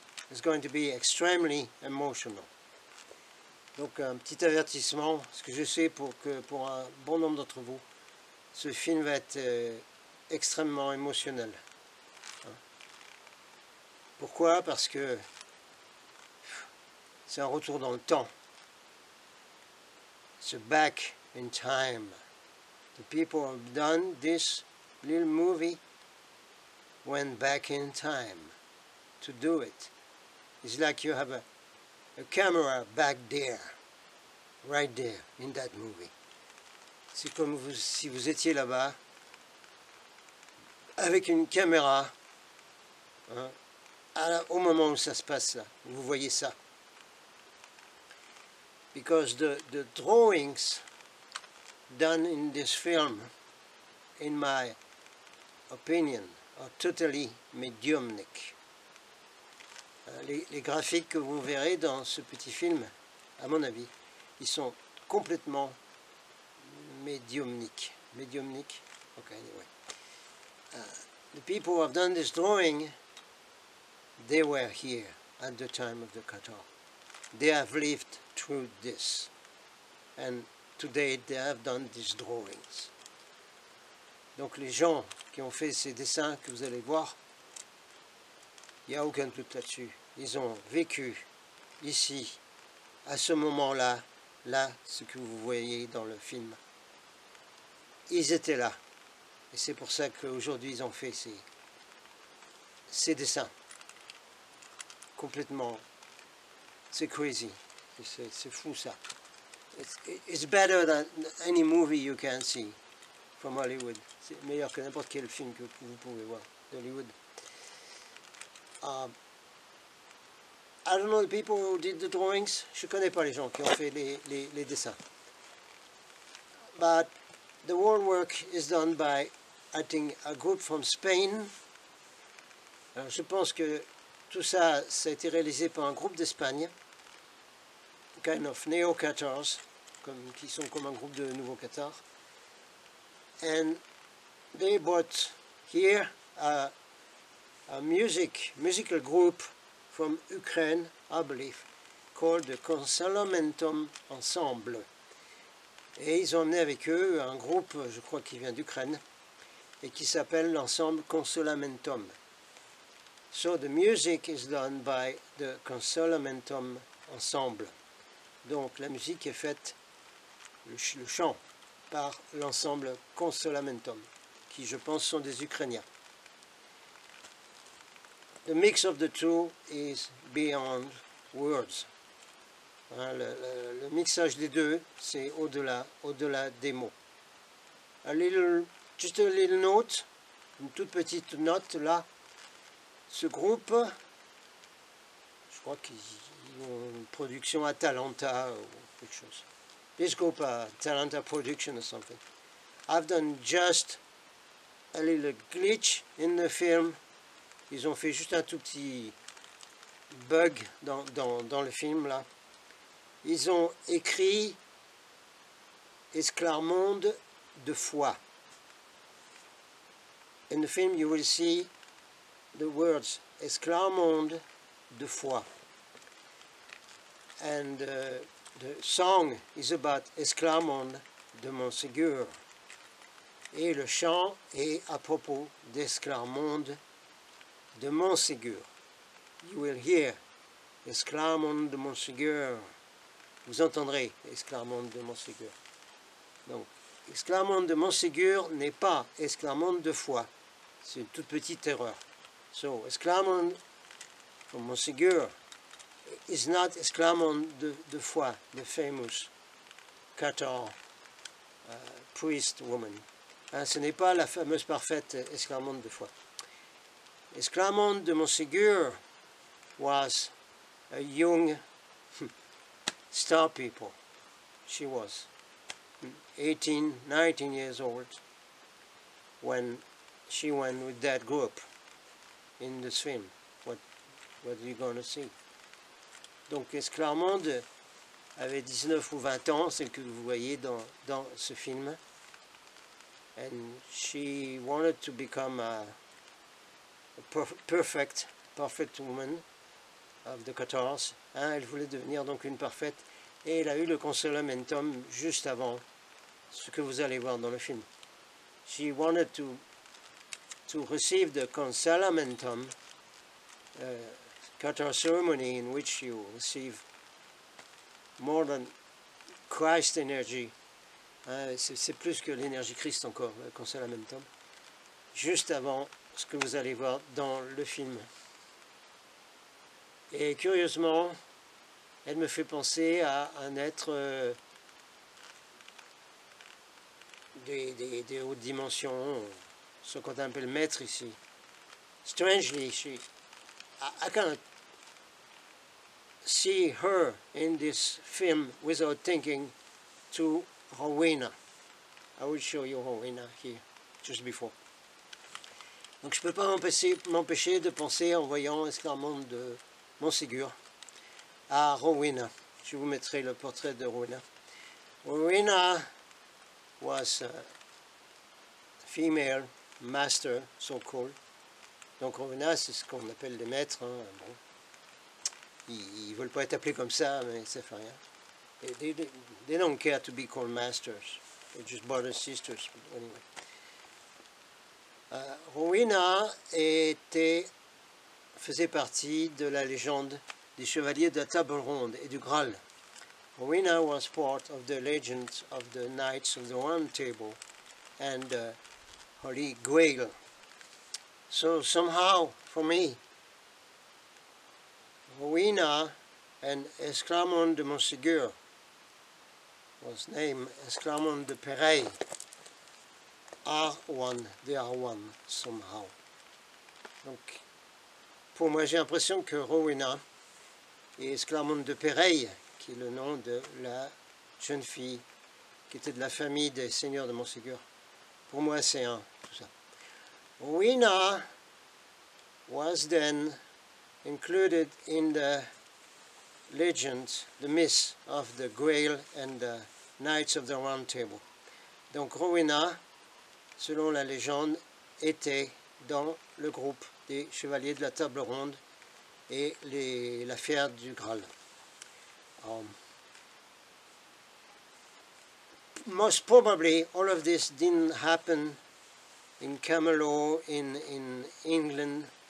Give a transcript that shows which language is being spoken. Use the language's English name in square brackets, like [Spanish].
[English] It's going to be extremely emotional. [French] Donc un petit avertissement, ce que je sais pour un bon nombre d'entre vous, ce film va être extrêmement émotionnel. Hein? Pourquoi? Parce que c'est un retour dans le temps. [English] It's a back in time. The people have done this little movie, went back in time to do it. It's like you have a camera back there. Right there, in that movie. [French] C'est comme vous, si vous étiez là-bas, avec une caméra, hein, au moment où ça se passe là. Vous voyez ça. [English] Because the drawings done in this film, in my opinion, are totally mediumnic. [French] Les graphiques que vous verrez dans ce petit film, à mon avis, ils sont complètement médiumniques. Médiumniques? Ok, anyway. [English] The people who have done this drawing, they were here at the time of the Cathars. They have lived through this. And today, they have done these drawings. [French] Donc les gens qui ont fait ces dessins que vous allez voir, il n'y a aucun doute là-dessus. Ils ont vécu ici, à ce moment-là, là, ce que vous voyez dans le film. Ils étaient là. Et c'est pour ça qu'aujourd'hui, ils ont fait ces dessins. Complètement. C'est crazy. C'est fou, ça. [English] It's better than any movie you can see from Hollywood. [French] C'est meilleur que n'importe quel film que vous pouvez voir d'Hollywood. [English] I don't know the people who did the drawings. [French] Je connais pas les gens qui ont fait les dessins. [English] But the wall work is done by, I think, a group from Spain. [French] Alors, je pense que tout ça, ça a été réalisé par un groupe d'Espagne. [English] Kind of neo-Cathars, [French] qui sont comme un groupe de nouveaux Cathars. [English] And they brought here a musical group from Ukraine, I believe, called the Esclarmonde Ensemble. [French] Et ils ont emmené avec eux un groupe, je crois, qui vient d'Ukraine, et qui s'appelle l'ensemble Esclarmonde. [English] So the music is done by the Esclarmonde Ensemble. [French] Donc la musique est faite, le chant, par l'ensemble Esclarmonde, qui je pense sont des Ukrainiens. [English] The mix of the two is beyond words. [French] Hein, le mixage des deux, c'est au-delà des mots. [English] Just a little note, [French] une toute petite note là. Ce groupe, je crois qu'ils ont une production à Atlanta ou quelque chose. [English] This group, Atlanta production or something. I've done just a little glitch in the film. [French] Ils ont fait juste un tout petit bug dans le film, là. Ils ont écrit Esclarmonde de foi. [English] In the film, you will see the words Esclarmonde de foi. And the song is about Esclarmonde de Montségur. [French] Et le chant est à propos d'Esclarmonde de Montségur. [English] You will hear Esclarmonde de Montségur. [French] Vous entendrez Esclarmonde de Montségur. Donc, Esclarmonde de Montségur n'est pas Esclarmonde de foi. C'est une toute petite erreur. [English] So, Esclarmonde from Montségur is not Esclarmonde de foi, the famous Cathar priest woman. [French] Hein, ce n'est pas la fameuse parfaite Esclarmonde de foi. [English] Esclarmonde de Montségur was a young star people. She was 18, 19 years old when she went with that group in the swim. What are you going to see? [French] Donc Esclarmonde avait 19 ou 20 ans, celle que vous voyez dans ce film. [English] And she wanted to become a perfect woman of the Cathars. [French] Hein, elle voulait devenir donc une parfaite. Et elle a eu le Esclarmonde juste avant ce que vous allez voir dans le film. [English] She wanted to receive the Esclarmonde, Cathar ceremony in which you receive more than Christ energy. [French] C'est plus que l'énergie Christ encore, le Esclarmonde, juste avant ce que vous allez voir dans le film. Et curieusement, elle me fait penser à un être des hautes dimensions, ce qu'on appelle maître ici. [English] Strangely, I can't see her in this film without thinking to Rowena. I will show you Rowena here, just before. [French] Donc je ne peux pas m'empêcher de penser, en voyant Esclarmonde de Montségur, à Rowena. Je vous mettrai le portrait de Rowena. [English] Rowena was a female master, so-called, [French] Donc Rovena, c'est ce qu'on appelle des maîtres. Hein. Bon. Ils ne veulent pas être appelés comme ça, mais ça fait rien. [English] They don't care to be called masters. They're just brothers and sisters. [French] Anyway. Rowena faisait partie de la légende des chevaliers de la Table Ronde et du Graal. [English] Rowena was part of the legend of the Knights of the Round Table and the Holy Grail. So somehow, for me, Rowena and Esclarmonde de Montségur was named Esclarmonde de Péreille. They are one somehow. [French] Donc, pour moi, j'ai l'impression que Rowena et Esclarmonde de Péreille, qui est le nom de la jeune fille qui était de la famille des seigneurs de Montségur, pour moi, c'est un, tout ça. [English] Rowena was then included in the legend, the myth of the Grail and the Knights of the Round Table. [French] Donc Rowena, selon la légende, était dans le groupe des chevaliers de la Table Ronde et la fière du Graal. [English] Most probably, all of this didn't happen in Camelot, in England.